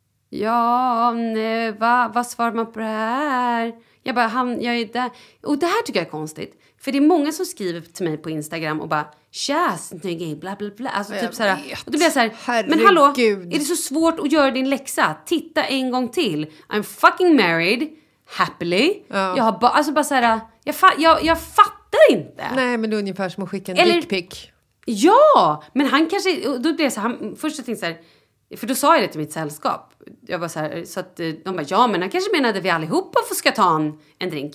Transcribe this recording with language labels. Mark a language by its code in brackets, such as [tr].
[sv] Ja, nej, vad svarar man på det här? Jag bara, jag är där. Och det här tycker jag är konstigt. För det är många som skriver till mig på Instagram och bara, tja, snygg, bla bla bla. Alltså jag typ vet. Så här. Och då blir jag så här, herregud. Men hallå, är det så svårt att göra din läxa? Titta en gång till. [en] I'm fucking married, happily. [sv] Ja. Jag har alltså bara så här, jag fattar inte. Nej, men det är ungefär som att skicka en dick pic. Ja, men han kanske, då blir jag så här, först tänkte jag så här. För då sa jag det till mitt sällskap. Jag bara så här, så att de bara, ja men han kanske menade vi allihopa får ska ta en drink.